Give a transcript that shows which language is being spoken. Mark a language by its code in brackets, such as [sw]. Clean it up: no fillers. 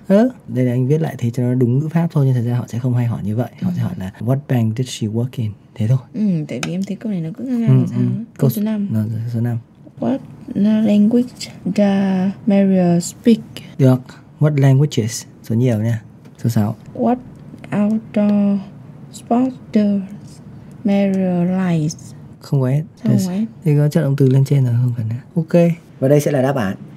[vi] Ừ, đây là anh viết lại thế cho nó đúng ngữ pháp thôi. Nhưng thật ra họ sẽ không hay hỏi như vậy. Họ sẽ hỏi là [en] what bank did she work in? [vi] Thế thôi. Ừ, tại vì em thấy câu này nó cứ ngang ngang Câu số 5. [en] What language does Maria speak? [vi] Được. [en] What languages? [vi] Số nhiều nha. Số 6. [en] What outdoor sport does Maria like? [vi] Không có hết. Không có hết. Thì có chất động từ lên trên rồi không cần nữa. Ok. Và đây sẽ là đáp án.